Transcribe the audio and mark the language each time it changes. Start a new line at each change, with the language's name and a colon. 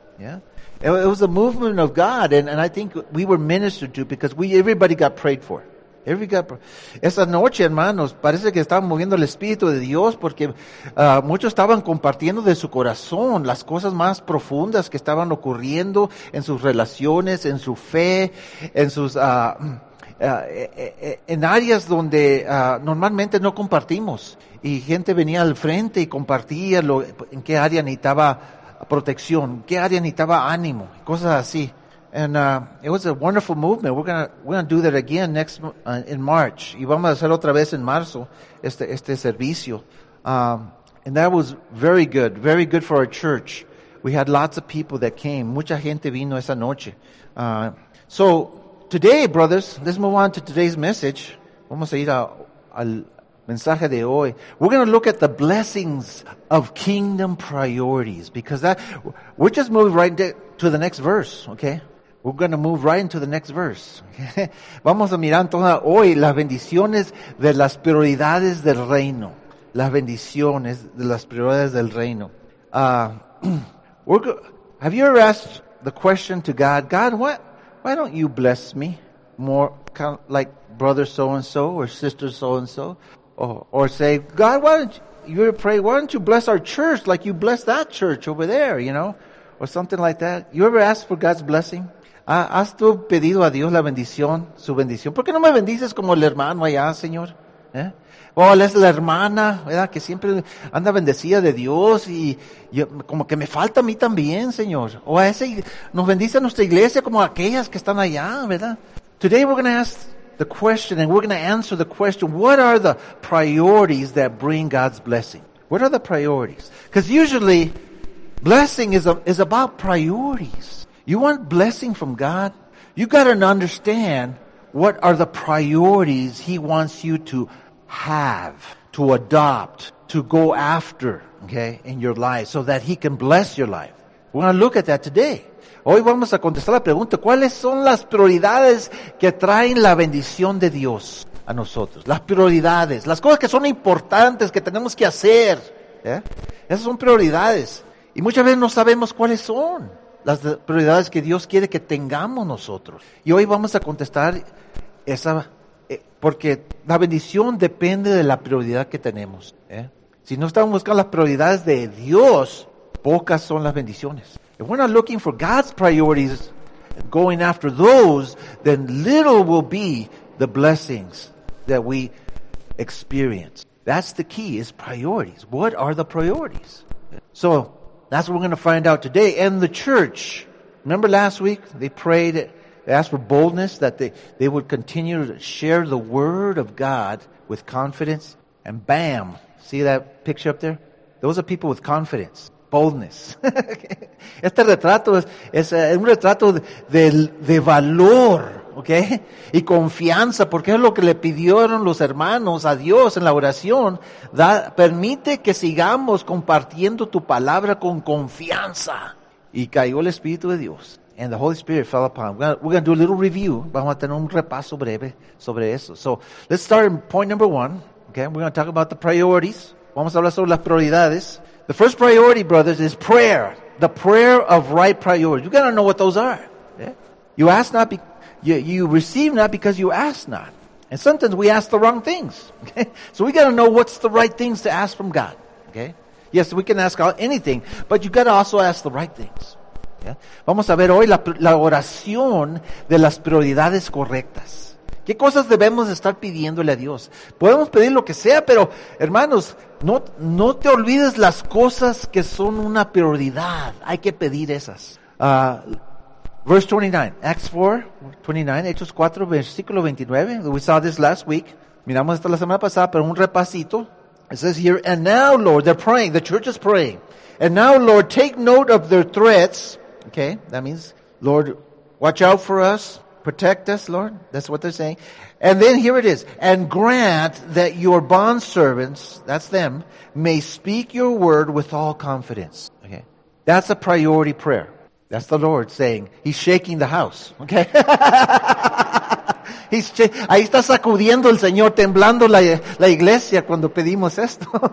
English: Yeah, it was a movement of God, and I think we were ministered to because everybody got prayed for.
Spanish: Esa noche, hermanos, parece que estaban moviendo el Espíritu de Dios porque muchos estaban compartiendo de su corazón las cosas más profundas que estaban ocurriendo en sus relaciones, en su fe, en sus en áreas donde normalmente no compartimos. Y gente venía al frente y compartía en qué área necesitaba protección, qué área necesitaba ánimo, cosas así.
English: And it was a wonderful movement. We're gonna do that again next in March.
Spanish: Y vamos a hacer otra vez en marzo este servicio.
English: And that was very good for our church. We had lots of people that came.
Spanish: Mucha gente vino esa noche.
English: So today, brothers, let's move on to today's message.
Spanish: Vamos a ir al mensaje de hoy.
English: We're gonna look at the blessings of kingdom priorities because that we're just moving right to the next verse. Okay. We're going to move right into the next verse.
Spanish: Vamos a mirar entonces hoy las bendiciones de las prioridades del reino. Las bendiciones de las prioridades del reino.
English: Have you ever asked the question to God, God, why don't you bless me more, kind of like brother so-and-so or sister so-and-so? Or say, God, why don't you bless our church like you bless that church over there, you know? Or something like that. You ever ask for God's blessing?
Spanish: ¿Has tú pedido a Dios la bendición, su bendición? ¿Por qué no me bendices como el hermano allá, Señor? ¿Eh? O es la hermana, ¿verdad? Que siempre anda bendecida de Dios y como que me falta a mí también, Señor. O a ese, nos bendice a nuestra iglesia como a aquellas que están allá, ¿verdad?
English: Today we're going to ask the question and we're going to answer the question, what are the priorities that bring God's blessing? What are the priorities? Because usually blessing is about priorities. You want blessing from God? You got to understand what are the priorities He wants you to have, to adopt, to go after, okay, in your life so that He can bless your life. We're going to look at that today.
Spanish: Hoy vamos a contestar la pregunta, ¿cuáles son las prioridades que traen la bendición de Dios a nosotros? Las prioridades, las cosas que son importantes, que tenemos que hacer. ¿Eh? Esas son prioridades. Y muchas veces no sabemos cuáles son las prioridades que Dios quiere que tengamos nosotros. Y hoy vamos a contestar esa, porque la bendición depende de la prioridad que tenemos. ¿Eh? Si no estamos buscando las prioridades de Dios, pocas son las bendiciones.
English: If we're not looking for God's priorities, going after those, then little will be the blessings that we experience. That's the key, is priorities. What are the priorities? So, that's what we're going to find out today. And the church, remember last week, they prayed, they asked for boldness, that they would continue to share the word of God with confidence. And bam, see that picture up there? Those are people with confidence. Boldness.
Spanish: Este retrato es un retrato de valor, ¿ok? Y confianza, porque es lo que le pidieron los hermanos a Dios en la oración. Permite que sigamos compartiendo tu palabra con confianza. Y cayó el Espíritu de Dios.
English: And the Holy Spirit fell upon. We're going to do a little review.
Spanish: Vamos a tener un repaso breve sobre eso.
English: So, let's start in point number one. Okay, we're going to talk about the priorities.
Spanish: Vamos a hablar sobre las prioridades.
English: The first priority, brothers, is prayer. The prayer of right priority. You got to know what those are. Yeah? You ask not, you receive not because you ask not. And sometimes we ask the wrong things. Okay? So we got to know what's the right things to ask from God. Okay? Yes, we can ask anything, but you got to also ask the right things. Yeah?
Spanish: Vamos a ver hoy la oración de las prioridades correctas. ¿Qué cosas debemos estar pidiéndole a Dios? Podemos pedir lo que sea, pero hermanos, no te olvides las cosas que son una prioridad. Hay que pedir esas.
English: Verse 29, Acts 4, 29,
Spanish: Hechos 4, versículo 29. We saw this last week. Miramos esta la semana pasada, pero un repasito.
English: It says here, and now, Lord, they're praying, the church is praying. And now, Lord, take note of their threats. Okay, that means, Lord, watch out for us. Protect us, Lord. That's what they're saying. And then here it is. And grant that your bondservants, that's them, may speak your word with all confidence. Okay. That's a priority prayer. That's the Lord saying, he's shaking the house. Okay.
Spanish: Ahí está sacudiendo el Señor, temblando la iglesia cuando pedimos esto.